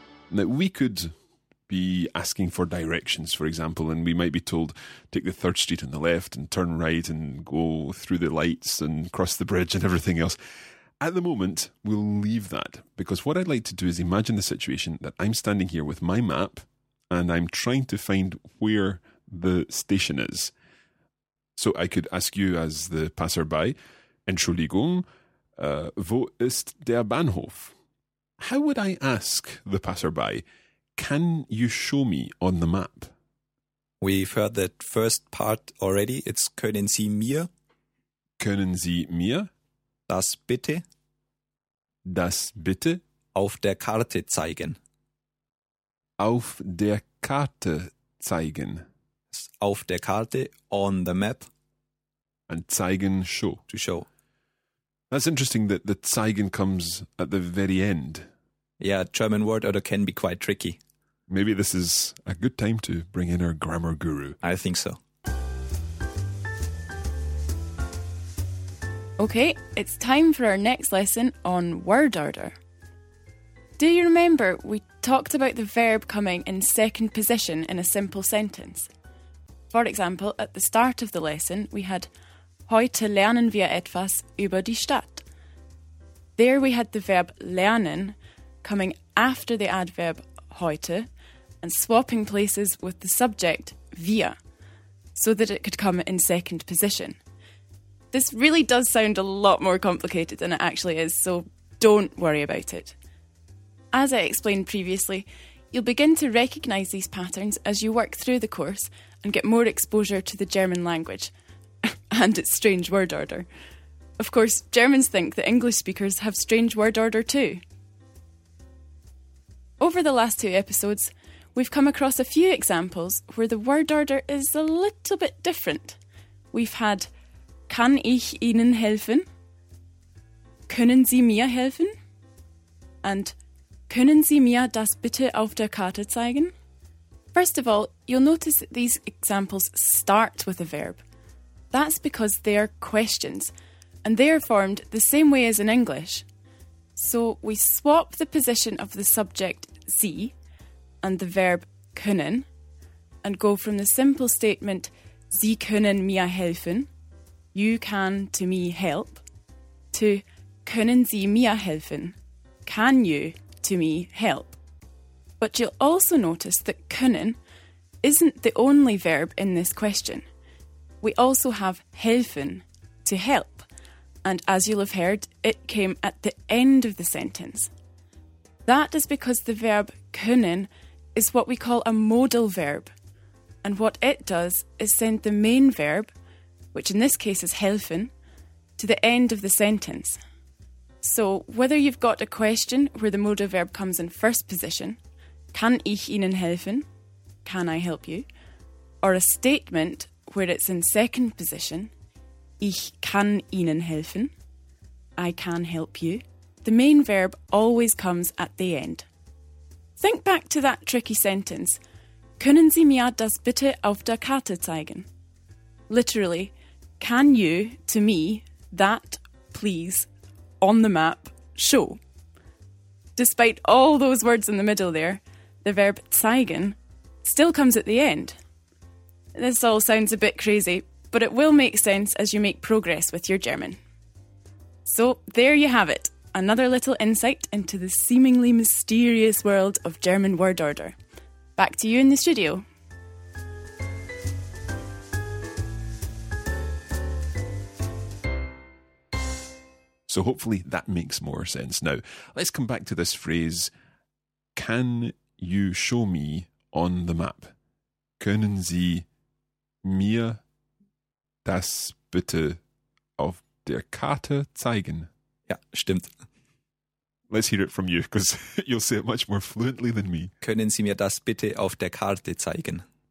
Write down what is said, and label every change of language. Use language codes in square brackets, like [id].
[en] Now we could be asking for directions, for example, and we might be told, take the third street on the left and turn right and go through the lights and cross the bridge and everything else. At the moment, we'll leave that, because what I'd like to do is imagine the situation that I'm standing here with my map and I'm trying to find where the station is. So I could ask you as the passerby, Entschuldigung, wo ist der Bahnhof? How would I ask the passerby, can you show me on the map? We've heard that first part already. It's können Sie mir. [de] Können Sie mir. Das bitte. Das bitte. Auf der Karte zeigen. Auf der Karte zeigen. Auf der Karte, on the map. [en] And zeigen, show. To show. That's interesting that the zeigen comes at the very end. Yeah, German word order can be quite tricky. Maybe this is a good time to bring in our grammar guru. I think so. Okay, it's time for our next lesson on word order. Do you remember we talked about the verb coming in second position in a simple sentence? For example, at the start of the lesson, we had heute lernen wir etwas über die Stadt. There we had the verb lernen coming after the adverb heute, and swapping places with the subject, wir, so that it could come in second position. This really does sound a lot more complicated than it actually is, so don't worry about it. As I explained previously, you'll begin to recognise these patterns as you work through the course and get more exposure to the German language and its strange word order. Of course, Germans think that English speakers have strange word order too. Over the last two episodes, we've come across a few examples where the word order is a little bit different. [de] We've had, kann ich Ihnen helfen? Können Sie mir helfen? And können Sie mir das bitte auf der Karte zeigen? [en] First of all, you'll notice that these examples start with a verb. That's because they are questions, and they are formed the same way as in English. So we swap the position of the subject, Sie, and the verb können, and go from the simple statement Sie können mir helfen, you can to me help, to können Sie mir helfen, can you to me, help. But you'll also notice that können isn't the only verb in this question. We also have helfen, to help. And as you'll have heard, it came at the end of the sentence. That is because the verb können is what we call a modal verb. And what it does is send the main verb, which in this case is helfen, to the end of the sentence. So whether you've got a question where the modal verb comes in first position, kann ich Ihnen helfen? Can I help you? Or a statement where it's in second position, ich kann Ihnen helfen, I can help you, the main verb always comes at the end. [de] Think back to that tricky sentence, können Sie mir das bitte auf der Karte zeigen? [en] Literally, can you, to me, that, please, on the map, show? Despite all those words in the middle there, the verb zeigen still comes at the end. This all sounds a bit crazy, but it will make sense as you make progress with your German. So there you have it, another little insight into the seemingly mysterious world of German word order. Back to you in the studio. So hopefully that makes more sense. Now, let's come back to this phrase, can you show me on the map? [de] Können Sie mir das bitte auf der Karte zeigen? Ja, stimmt. [en] Let's hear it from you, because you'll say it much more fluently than me. [de] Können Sie mir das bitte auf der Karte zeigen?